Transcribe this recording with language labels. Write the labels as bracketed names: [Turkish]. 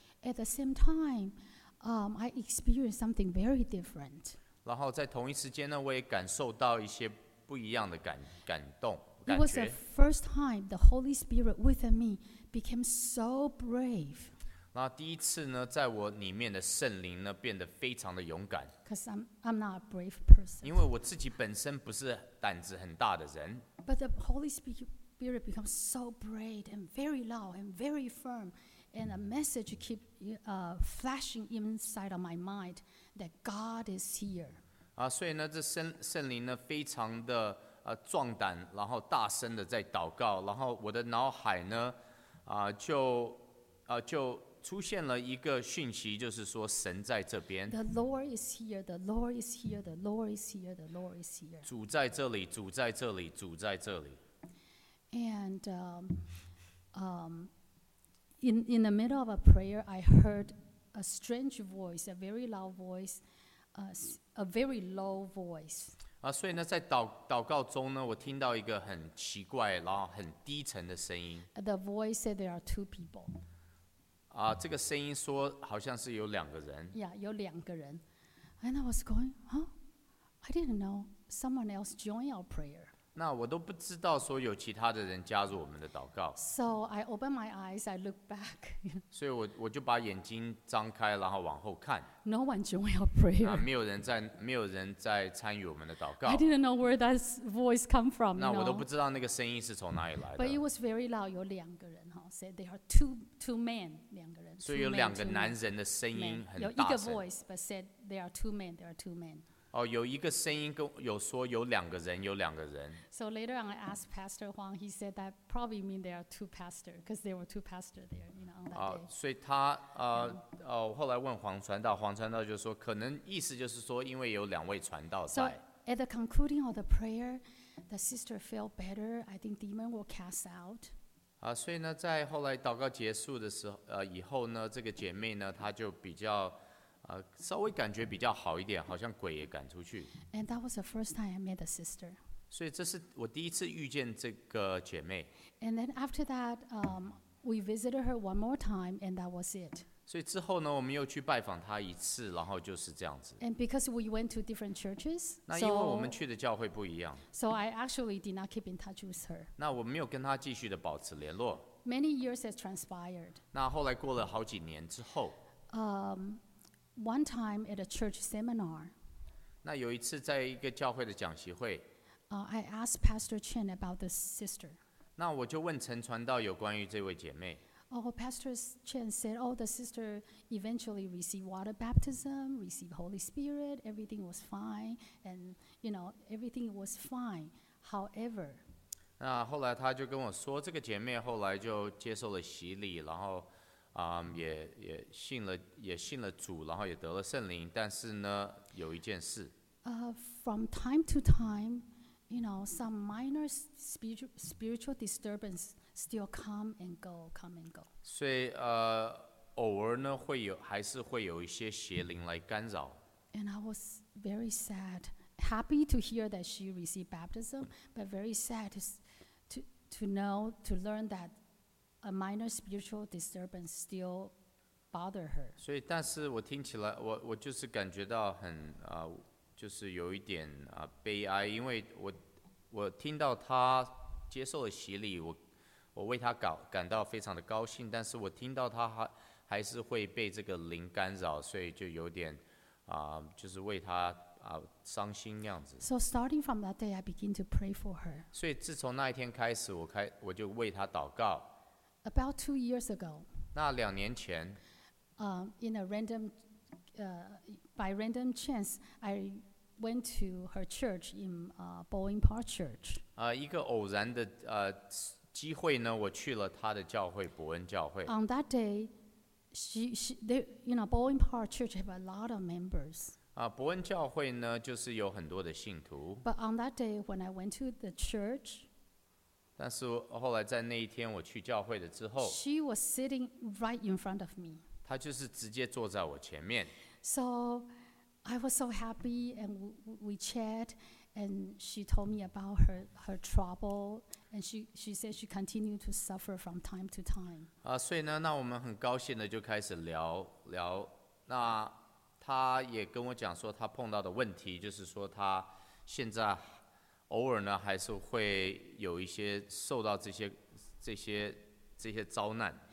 [English] At the same time, I experienced something very different. [Chinese] 然后在同一时间呢，我也感受到一些不一样的感动。 [English] It was the first time the Holy Spirit within me became so brave. [Chinese] 那第一次呢，在我里面的圣灵呢，变得非常的勇敢。 [English] Because I'm not a brave person. [Chinese] 因为我自己本身不是胆子很大的人。 [English] But the Holy Spirit becomes so brave and very loud and very firm, and a message keep flashing inside of my mind that God is here. [Chinese] 啊，所以呢，这圣灵呢，非常的壮胆，然后大声的在祷告，然后我的脑海呢，就出现了一个讯息，就是说神在这边。 [English] The Lord is here. The Lord is here. The Lord is here. The Lord is here. [Chinese] 主在这里，主在这里，主在这里。 [English] And in the middle of a prayer, I heard a strange voice, a very loud voice, a very low voice. [Chinese] 啊，所以呢，在祷告中呢，我听到一个很奇怪，然后很低沉的声音。 [English] The voice said there are two people. [Chinese] 这个声音说好像是有两个人。 Yeah, 有两个人。 [English] And I was going, huh? I didn't know someone else joined our prayer. [Chinese] 那我都不知道说有其他的人加入我们的祷告。 [English] So I opened my eyes, I looked back. [Chinese] 所以我就把眼睛张开，然后往后看。 [English] No one joined our prayer. [Chinese] 没有人在参与我们的祷告。 [English] I didn't know where that voice come from. [Chinese] 那我都不知道那个声音是从哪里来的。 [English] But it was very loud, [Chinese] 有两个人。 [English] Said there are two men, [Chinese] 两个人，所以有两个男人的声音很大声。有一个 [English] voice, but said there are two men, there are two men. [Chinese] 哦，有一个声音跟有说有两个人，有两个人。 [English] So later on, I asked Pastor Huang. He said that probably mean there are two pastors, because there were two pastors there, you know, on that day. [Chinese] 所以他后来问黄传道就说，可能意思就是说，因为有两位传道在。 [English] So at the concluding of the prayer, the sister felt better. I think demon will cast out. [Chinese] 所以呢，在后来祷告结束的时候，以后呢，这个姐妹呢，她就比较，稍微感觉比较好一点，好像鬼也赶出去。 [English] And that was the first time I met a sister. [Chinese] 所以这是我第一次遇见这个姐妹。 [English] And then after that, we visited her one more time, and that was it. [Chinese] 所以之后呢，我们又去拜访她一次，然后就是这样子。 [English] And because we went to different churches, [Chinese] 那因为我们去的教会不一样。 [English] So I actually did not keep in touch with her. [Chinese] 那我没有跟她继续的保持联络。 [English] Many years has transpired. [Chinese] 那后来过了好几年之后。 [English] One time at a church seminar. [Chinese] 那有一次在一个教会的讲习会。 [English] I asked Pastor Chen about this sister. [Chinese] 那我就问陈传道有关于这位姐妹。 [English] Oh, Pastor Chen said, oh, the sister eventually received water baptism, received Holy Spirit, everything was fine, and, you know, everything was fine. However, [Chinese] 那后来他就跟我说，这个姐妹后来就接受了洗礼，然后，也信了主，然后也得了圣灵，但是呢，有一件事。 [English] From time to time, you know, some minor spiritual disturbance still come and go, come and go. [Chinese] 所以偶尔呢会有，还是会有一些邪灵来干扰。 [English] And I was very sad, happy to hear that she received baptism, but very sad to learn that a minor spiritual disturbance still bother her. [Chinese] 所以，但是我听起来，我就是感觉到很就是有一点悲哀，因为我听到她接受了洗礼，我为他感到非常的高兴，但是我听到他还是会被这个灵干扰，所以就有点就是为他伤心那样子。 [English] So starting from that day, I begin to pray for her. [Chinese] 所以自从那一天开始，我就为他祷告。 [English] About 2 years ago. [Chinese] 那两年前。 [English] In a random, by random chance, I went to her church in Bowling Park Church. [Chinese] 一个偶然的机会呢，我去了他的教会伯恩教会。 [English] On that day, they, you know, Bowling Park Church have a lot of members. [Chinese] 伯恩教会呢，就是有很多的信徒。 [English] But on that day, when I went to the church, [Chinese] 但是后来在那一天我去教会的之后 [English] ，she was sitting right in front of me. [Chinese] 她就是直接坐在我前面。 [English] So I was so happy, and we chat, and she told me about her trouble. And she said she continued to suffer from time to time. [Chinese] 所以呢，那我们很高兴的就开始聊聊。那她也跟我讲说，她碰到的问题就是说，她现在偶尔呢还是会有一些受到这些灾难。